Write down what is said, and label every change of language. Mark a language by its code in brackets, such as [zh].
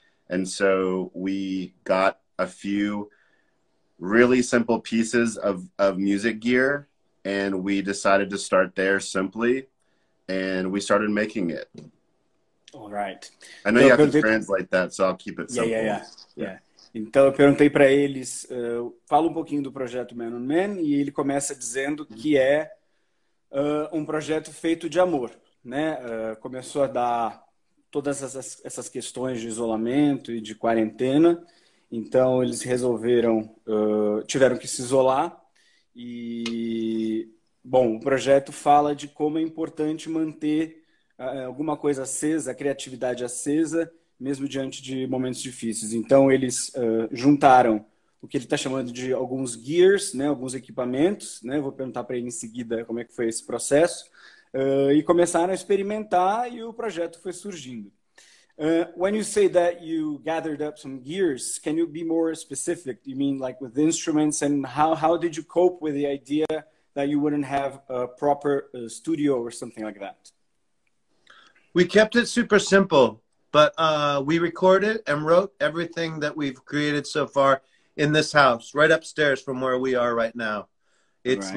[en] And so we got a few really simple pieces of music gear, and we decided to start there simply, and we started making it. All right. I know you have to translate that, so I'll keep it simple. Yeah. [pt] Então eu perguntei para eles, fala um pouquinho do projeto Man on Man, e ele começa dizendo que é um projeto feito de amor, né? Começou a dar todas essas questões de isolamento e de quarentena, então eles resolveram, tiveram que se isolar. E, bom, o projeto fala de como é importante manter alguma coisa acesa, a criatividade acesa, mesmo diante de momentos difíceis. Então, eles juntaram o que ele está chamando de alguns gears, né, alguns equipamentos, né, vou perguntar para ele em seguida como é que foi esse processo, e começaram a experimentar e o projeto foi surgindo. [en] When you say that you gathered up some gears, can you be more specific? You mean like with instruments, and how did you cope with the idea that you wouldn't have a proper studio or something like that? We kept it super simple, but we recorded and wrote everything that we've created so far in this house, right upstairs from where we are right now. It's right.